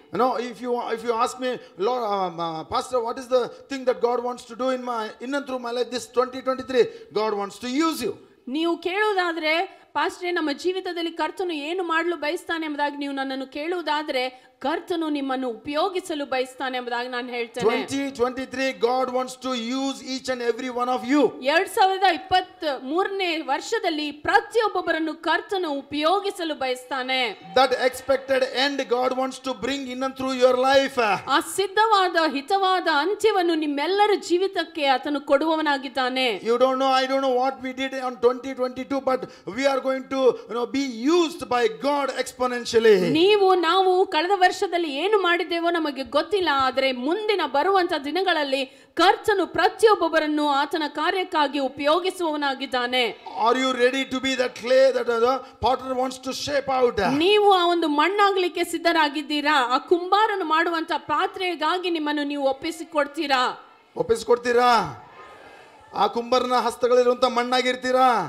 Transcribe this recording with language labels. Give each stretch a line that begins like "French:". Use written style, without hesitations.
English: No, if you ask me, Lord, Pastor, what is the thing that God wants to do in and through my life, this 2023, God wants to use you.
Kannada: ನೀವು ಕೇಳುವುದಾದ್ರೆ, ಪಾಸ್ಟ್ರೆ, ನಮ್ಮ ಜೀವಿತದಲ್ಲಿ ಕರ್ತನು ಏನು ಮಾಡಲು ಬಯಸ್ತಾನೆ ಎಂಬುದಾಗಿ ನೀವು ನನ್ನನ್ನು ಕೇಳುವುದಾದ್ರೆ, ಕರ್ತನು ನಿಮ್ಮನ್ನು ಉಪಯೋಗಿಸಲು ಬಯಸ್ತಾನೆ ಎಂಬುದಾಗಿ ನಾನು ಹೇಳ್ತೇನೆ.
English: 2023, God wants to use each and every one of you.
Kannada: 2023ನೇ ವರ್ಷದಲ್ಲಿ ಪ್ರತಿಯೊಬ್ಬೊಬ್ಬರನ್ನು ಕರ್ತನು ಉಪಯೋಗಿಸಲು ಬಯಸ್ತಾನೆ.
English: That expected end God wants to bring in and through your life.
Kannada: ಆ ಸಿದ್ಧವಾದ ಹಿತವಾದ ಅಂತ್ಯವನ್ನು ನಿಮ್ಮೆಲ್ಲರ ಜೀವಿತಕ್ಕೆ ಆತನು ಕೊಡುವವನಾಗಿದ್ದಾನೆ.
English: You don't know, I don't know what we did on 2022, but we are going to, you know, be used by God exponentially.
Kannada: ನೀವು ನಾವು ಕಳೆದ ವರ್ಷದಲ್ಲಿ ಏನು ಮಾಡಿದ್ದೇವೋ ನಮಗೆ ಗೊತ್ತಿಲ್ಲ, ಆದರೆ ಮುಂದಿನ ಬರುವಂತ ದಿನಗಳಲ್ಲಿ ಕರ್ತನು ಪ್ರತಿಯೊಬ್ಬೊಬ್ಬರನ್ನು ಆತನ ಕಾರ್ಯಕ್ಕಾಗಿ ಉಪಯೋಗಿಸುವವನಾಗಿದ್ದಾನೆ.
English: Are you ready to be that clay that the potter wants to shape out?
Kannada: ನೀವು ಆ ಒಂದು ಮಣ್ಣಾಗಲಿಕ್ಕೆ ಸಿದ್ಧರಾಗಿದ್ದೀರಾ? ಆ ಕುಂಬಾರನು ಮಾಡುವಂತ ಪಾತ್ರೆಗಾಗಿ ನಿಮ್ಮನ್ನು ನೀವು ಒಪ್ಪಿಸಿಕೊಡ್ತೀರಾ? ಒಪ್ಪಿಸಿಕೊಡ್ತೀರಾ? ಆ ಕುಂಬಾರನ ಹಸ್ತಗಳಿರುವಂತ ಮಣ್ಣಾಗಿರ್ತೀರಾ?